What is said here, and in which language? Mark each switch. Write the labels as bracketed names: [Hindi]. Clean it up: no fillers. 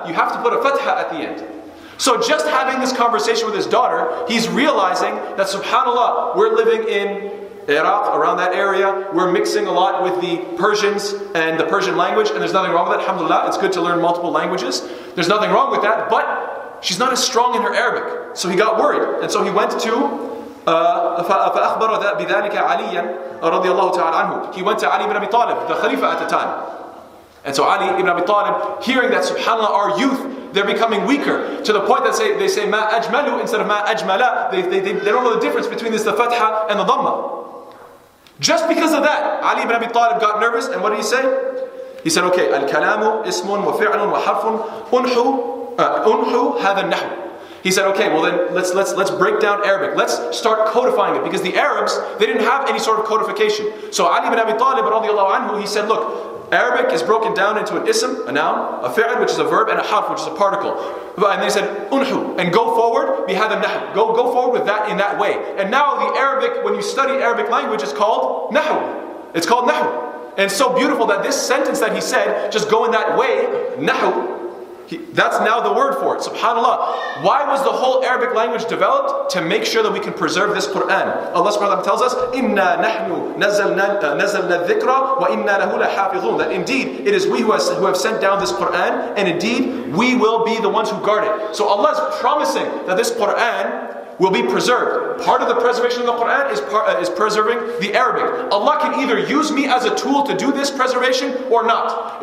[English] You have to put a fatha at the end. So just having this conversation with his daughter, he's realizing that subhanAllah, we're living in Iraq, around that area. We're mixing a lot with the Persians and the Persian language, and there's nothing wrong with that. Alhamdulillah, it's good to learn multiple languages. There's nothing wrong with that, but she's not as strong in her Arabic. So he got worried. And so he went to [Arabic] فَأَخْبَرَ بِذَلِكَ عَلِيًّا رَضِيَ اللَّهُ تَعَالَى عَنْهُ. [English] He went to Ali ibn Abi Talib, the Khalifa at the time. And so Ali ibn Abi Talib, hearing that subhanAllah, our youth, they're becoming weaker to the point that they say ma ajmalu instead of ma ajmala. They don't know the difference between this, the fatha and the dhamma. Just because of that, Ali ibn Abi Talib got nervous, and what did he say? He said, okay, [Arabic] al kalamu ismun wa fi'lun wa harfun unhu hadha nahw. [English] He said, okay, well then let's break down Arabic. Let's start codifying it, because the Arabs, they didn't have any sort of codification. So Ali ibn Abi Talib radiallahu anhu, he said, look, Arabic is broken down into an ism, a noun, a fi'l, which is a verb, and a harf, which is a particle. And they said, unhu, and go forward, bihadam nahu. Go forward with that in that way. And now the Arabic, when you study Arabic language, is called nahu. It's called nahu. And it's so beautiful that this sentence that he said, just go in that way, nahu, That's now the word for it. SubhanAllah. Why was the whole Arabic language developed? To make sure that we can preserve this Quran. Allah subhanahu wa ta'ala tells us, [Arabic] إِنَّا نَحْنُ نَزَلْنَا الذِّكْرَ وَإِنَّا لَهُ لَحَافِظُونَ. [English] That indeed, it is we who have sent down this Quran, and indeed, we will be the ones who guard it. So Allah is promising that this Quran will be preserved. Part of the preservation of the Quran is preserving the Arabic. Allah can either use me as a tool to do this preservation or not.